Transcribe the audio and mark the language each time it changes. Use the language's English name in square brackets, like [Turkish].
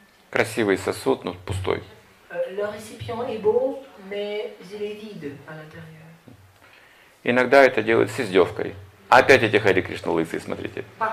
[Russian] Красивый сосуд, но пустой. [French] Le récipient est beau, mais il est vide à l'intérieur. [Russian] Иногда это делают с издевкой. Опять эти Хари Кришна лысые, смотрите.